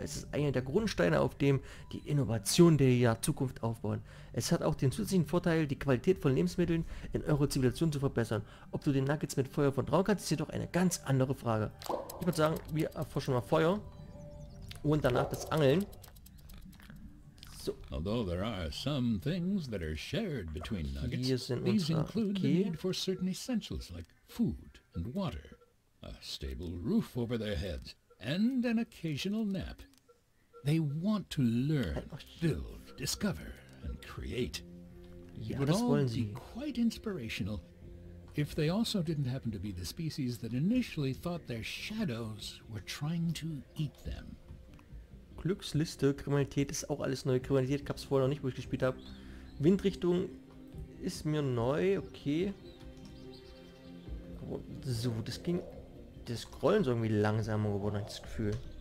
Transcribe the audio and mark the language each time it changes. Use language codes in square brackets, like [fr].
[de] Es ist einer der Grundsteine, auf dem die Innovation der Zukunft aufbauen. Es hat auch den zusätzlichen Vorteil, die Qualität von Lebensmitteln in eurer Zivilisation zu verbessern. Ob du den Nuggets mit Feuer vertrauen kannst, ist jedoch eine ganz andere Frage. Ich würde sagen, wir erforschen mal Feuer und danach das Angeln. [en] Although there are some things that are shared between Nuggets, these include the need for certain essentials like food and water. A stable roof over their heads and an occasional nap. They want to learn, build, discover and create. [de] Ja, das wollen sie. [en] Quite inspirational. If they also didn't happen to be the species that initially thought their shadows were trying to eat them. [de] Glücksliste, Kriminalität ist auch alles neu. Kriminalität gab es vorher noch nicht, wo ich gespielt habe. Windrichtung ist mir neu, okay. So, das ging. Das Scrollen ist irgendwie langsamer geworden, habe ich das Gefühl.